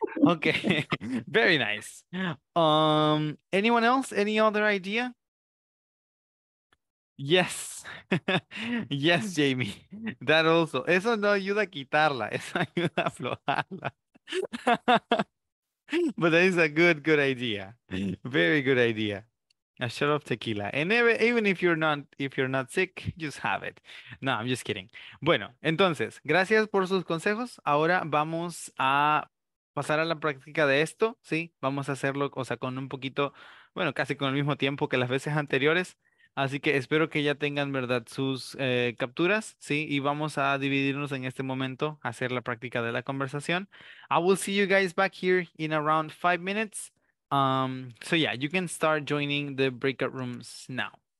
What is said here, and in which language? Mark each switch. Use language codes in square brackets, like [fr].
[en] Okay, very nice. Anyone else, any other idea? Yes, yes, Jamie, that also. [es] Eso no ayuda a quitarla, eso ayuda a aflojarla. [en] But that is a good idea, very good idea. A shot of tequila. And even if you're not sick, just have it. No, I'm just kidding. [es] Bueno, entonces, gracias por sus consejos. Ahora vamos a pasar a la práctica de esto, ¿sí? Vamos a hacerlo, o sea, con un poquito, bueno, casi con el mismo tiempo que las veces anteriores. Así que espero que ya tengan, ¿verdad?, sus capturas, ¿sí? Y vamos a dividirnos en este momento, hacer la práctica de la conversación. [en] I will see you guys back here in around 5 minutes. So yeah, you can start joining the breakout rooms now.